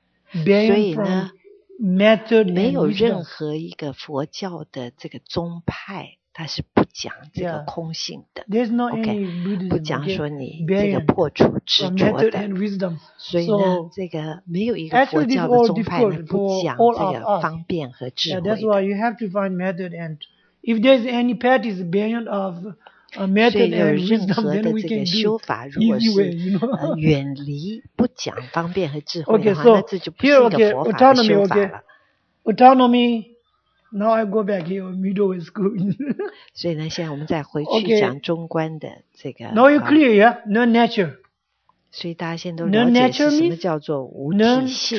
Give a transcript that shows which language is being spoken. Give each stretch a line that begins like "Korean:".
Chinese: 所以呢，没有任何一个佛教的这个宗派，它是不讲这个空性的。 OK， 不讲说你这个破除执着的。所以呢，这个没有一个佛教的宗派呢不讲这个方便和智慧的。
English: That's why you have to find method and if there's any path is beyond of a method and wisdom, then we can do easy way.
Chinese: 远离不讲方便和智慧的话，那这就不是一个佛法的修法了。
English: Autonomy。 Now I go back here, middle school.
Chinese: 所以呢，现在我们再回去讲中观的这个。
English: Okay. Now you clear, yeah? No nature.
Chinese: 所以大家现在都了解是什么叫做无体性。